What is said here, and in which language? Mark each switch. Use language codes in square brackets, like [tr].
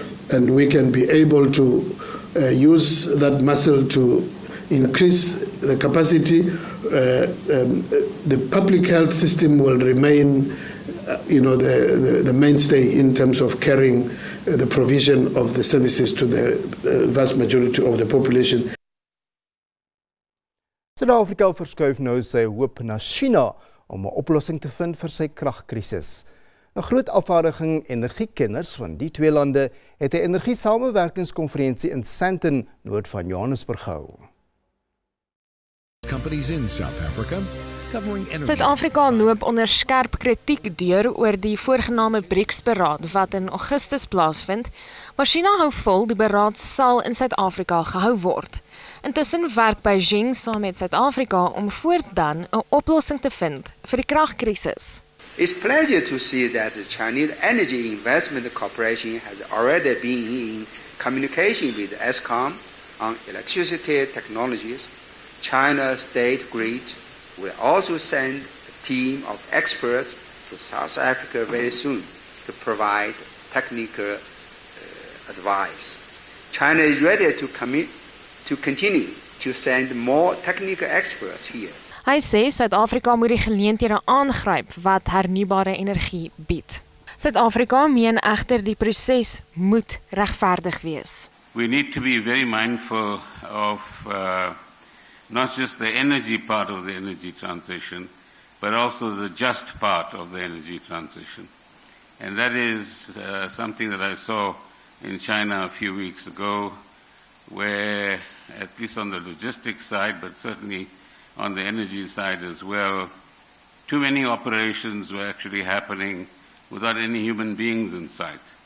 [en] And we can be able to use that muscle to increase the capacity. The public health system will remain, the mainstay in terms of carrying the provision of the services to the vast majority of the population. [af] Suid-Afrika verskuif nou sy hoop na China om 'n oplossing te vind vir sy kragkrisis. 'n groot afvaardiging energiekenners van die twee lande het 'n energie-samewerkingskonferensie in Sandton, noord van Johannesburg gehou. [en] Companies in South Africa. [af] Suid-Afrika loop onder skerp kritiek deur oor die voorgename BRICS-beraad wat in Augustus plaasvind, maar China hou vol die beraad sal in Suid-Afrika gehou word. Intussen werk Beijing saam met Suid-Afrika om voortdan 'n oplossing te vind vir die kragkrisis. [en] It's pleasure to see that the Chinese Energy Investment Corporation has already been in communication with Eskom on electricity technologies. China State Grid will also send a team of experts to South Africa very soon to provide technical advice. China is ready to commit to continue to send more technical experts here. [af] Hy sê Suid-Afrika moet die geleenthede aangryp wat hernubare energie bied. Suid-Afrika meen egter die proses moet regverdig wees. [en] We need to be very mindful of not just the energy part of the energy transition, but also the just part of the energy transition. And that is something that I saw in China a few weeks ago, where at least on the logistics side, but certainly on the energy side as well, too many operations were actually happening without any human beings in sight.